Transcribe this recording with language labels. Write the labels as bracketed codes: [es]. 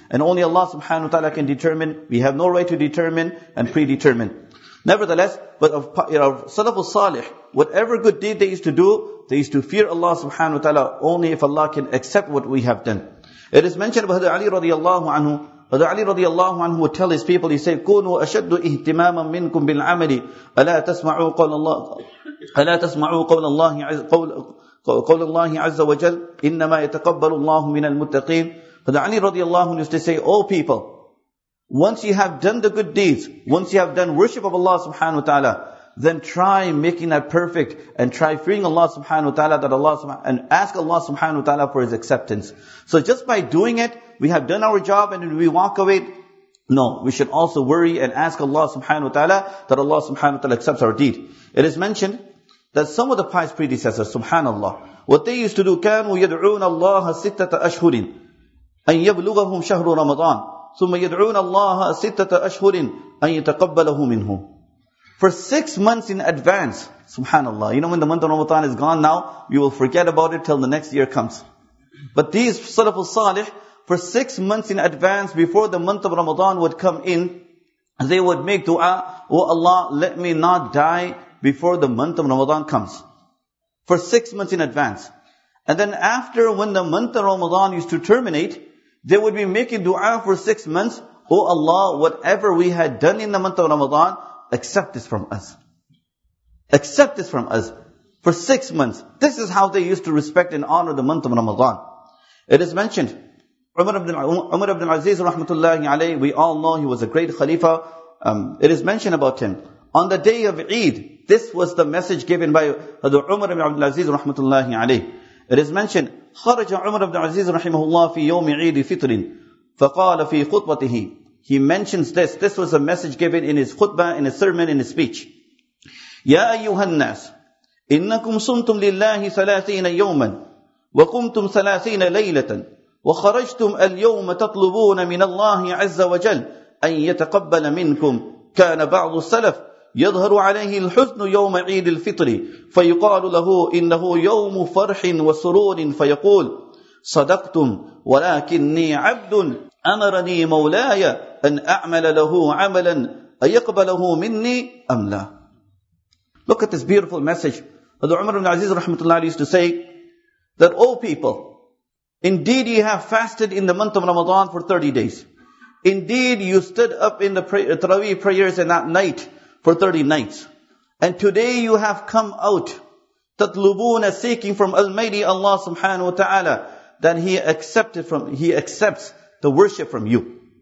[en] And only Allah subhanahu wa ta'ala can determine, we have no right to determine and predetermine. Nevertheless, but of, you know, Salaf al-Salih, whatever good deed they used to do, they used to fear Allah subhanahu wa ta'ala only if Allah can accept what we have done. It is mentioned by Hadith Ali radiallahu anhu. Hadith Ali radiallahu anhu would tell his people, he said, [ar] كُنُوا أَشَدُّ إِهْتِمَامًا مِنْكُمْ بِالْعَمَلِ أَلَا تَسْمَعُوا قَوْلَ اللَّهِ أَلَا تَسْمَعُوا قَوْلَ اللَّهِ قَوْلَ اللَّهِ عَزَّ وَجَلْ إِنَّمَا يَتَقَبَّلُ اللَّهُ مِنَ الْمُتَّقِينَ. [en] Hadith Ali radiallahu anhu used to say, oh people, once you have done the good deeds, once you have done worship of Allah subhanahu wa ta'ala, then try making that perfect and try fearing Allah subhanahu wa ta'ala, that Allah and ask Allah subhanahu wa ta'ala for His acceptance. So just by doing it, we have done our job and we walk away. No, we should also worry and ask Allah subhanahu wa ta'ala that Allah subhanahu wa ta'ala accepts our deed. It is mentioned that some of the pious predecessors, subhanallah, what they used to do, [ar] كَانُوا يَدْعُونَ اللَّهَ سِتَّةَ أَشْهُرٍ أَنْ يَبْلُغَهُمْ شَهْرُ رَمَضَانَ ثُمَّ يَدْعُونَ اللَّهَ سِتَّةَ أَشْهُرٍ أَنْ يَتَقَبَّلَهُ مِنْهُمْ. [en] For 6 months in advance, subhanAllah, you know when the month of Ramadan is gone now, we will forget about it till the next year comes. But these Salaf al-Salih, for 6 months in advance, before the month of Ramadan would come in, they would make dua, oh Allah, let me not die before the month of Ramadan comes. For 6 months in advance. And then after, when the month of Ramadan used to terminate, they would be making dua for 6 months. Oh Allah, whatever we had done in the month of Ramadan, accept this from us. Accept this from us for 6 months. This is how they used to respect and honor the month of Ramadan. It is mentioned, Umar ibn Aziz, rahmatullahi alayhi, we all know he was a great khalifa. It is mentioned about him. On the day of Eid, this was the message given by Umar ibn Aziz, rahmatullahi alayhi. It is mentioned, [ar] خرج عمر بن عزيز رحمه الله في يوم عيد فطر فقال في خطبته. [en] He mentions this. This was a message given in his khutbah, in his sermon, in his speech. [ar] يا أيها الناس إنكم صمتم لله 30 يوما وقمتم 30 ليلة وخرجتم اليوم تطلبون من الله عز وجل أن يتقبل منكم. كان بعض السلف يظهر عليه الحزن يوم عيد الفطر فيقال له إنه يوم فرح وسرور فيقول صدقتم ولكني عبد أمرني مولاي أن أعمل له عملا أيقبله مني أم لا. [en] Look at this beautiful message. Hazrat Umar ibn Aziz rahmatullah used to say that, O people, indeed you have fasted in the month of Ramadan for 30 days. Indeed you stood up in the Taraweeh prayers in that night for 30 nights. And today you have come out, tatlubuna, seeking from Almighty Allah subhanahu wa ta'ala, that He accepts the worship from you.